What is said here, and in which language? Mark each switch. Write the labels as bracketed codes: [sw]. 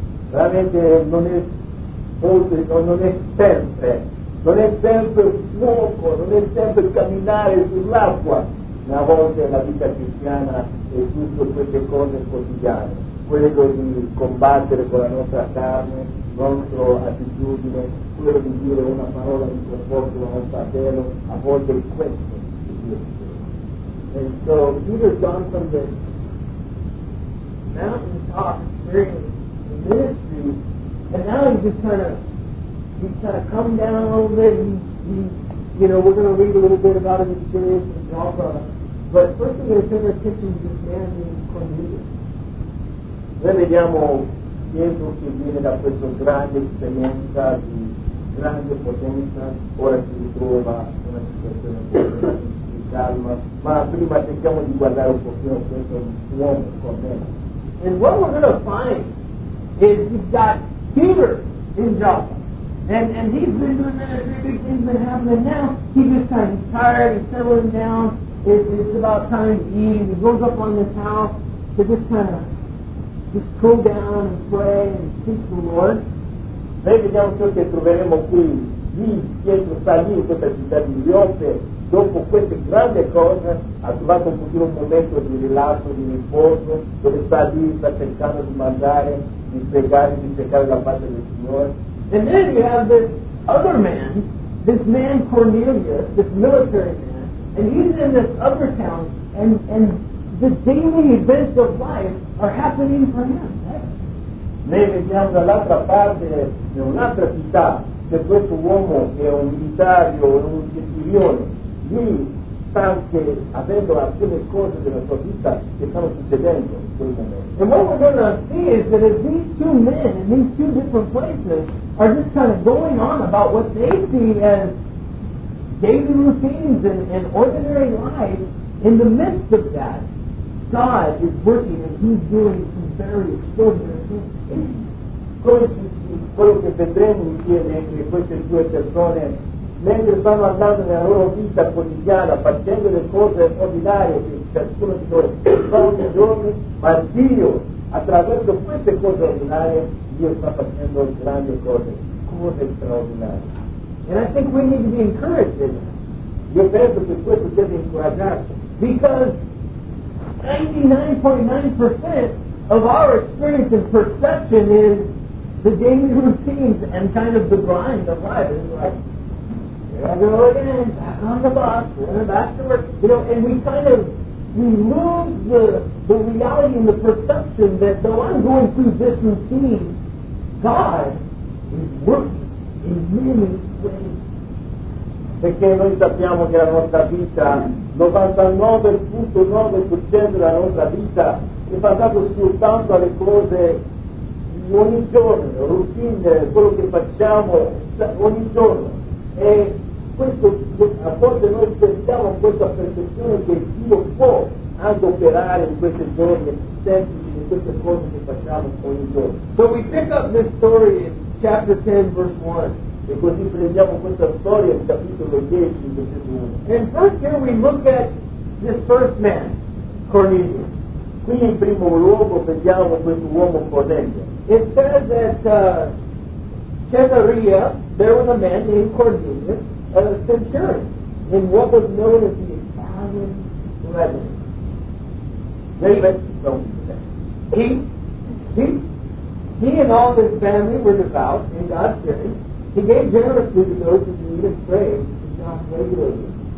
[it] Veramente non è molto, non è sempre il fuoco, non è sempre camminare sull'acqua. Una volta la vita cristiana è tutto queste cose quotidiane, quello di combattere con la nostra carne, nostra attitudine, quello di dire una parola di conforto a un fratello, a volte è questo. [en] And so Peter's gone from the mountaintop experience in ministry, and now he's kind of come down a little bit. He, you know, we're going to read a little bit about his experience in Joppa, but first we're going to turn our attention to this man named Cornelius. [it] Noi vediamo Pietro che viene da questa grande esperienza di grande potenza, ora si ritrova in una situazione di calma, ma prima cerchiamo di guardare un pochino questo uomo con me. [en] And what we're going to find is you've got Peter in Joppa. And he's been doing ministry, big things that happened, and now he's just kind of tired, he's settling down, it's about time to eat, and he goes up on this house to just kind of just cool down and pray and seek the Lord. [it] Noi vediamo ciò che troveremo qui, lì Pietro sta lì in questa città di Giope, dopo queste grandi cose ha trovato un pochino un momento di rilascio, di riposo, dove sta lì, sta cercando di mangiare, di pregare, di cercare la parte del Signore. [en] And then you have this other man, this man Cornelius, this military man, and he's in this other town, and the daily events of life are happening for him. [it] Noi vediamo dall'altra parte, in un'altra città, c'è questo uomo che è un militare o un centurione. Lui sta anche avendo alcune cose della sua vita che stanno succedendo in quel momento. [en] And what we're going to see is that if these two men in these two different places are just kind of going on about what they see as daily routines and ordinary life, in the midst of that, God is working and He's doing some very extraordinary things. [it] Quello che vedremo insieme entre queste due persone, mentre stanno andando nella loro vita quotidiana facendo le cose ordinarie che ciascuno di noi fa ogni giorno, ma Dio attraverso queste cose ordinarie, Dio sta facendo grandi cose, cose straordinarie. [en] And I think we need to be encouraged. [it] Io penso che questo deve incoraggiarci, [en] because 99.9% of our experience and perception is the daily routines and kind of the grind of life. It's like, here I go again, back on the bus, back to work. You know, and we lose the reality and the perception that though I'm going through this routine, God is working in many ways. [it] Perché noi sappiamo che la nostra vita, 99.9% della nostra vita, è basato soltanto alle cose di ogni giorno, routine, quello che facciamo ogni giorno. E questo, a volte noi sentiamo questa percezione che Dio può anche operare in queste giorni semplici, in queste cose che facciamo ogni giorno. [en] So we pick up this story in chapter 10, verse 1. [it] E così prendiamo questa storia in capitolo 10, versetto 1. [en] And first here we look at this first man, Cornelius. [it] Qui in primo luogo vediamo questo uomo Cornelio. [en] It says that Caesarea, there was a man named Cornelius, a centurion, in what was known as the Italian Legion. He and all his family were devout in God's hearing. He gave generously to those who needed and prayed to God regularly.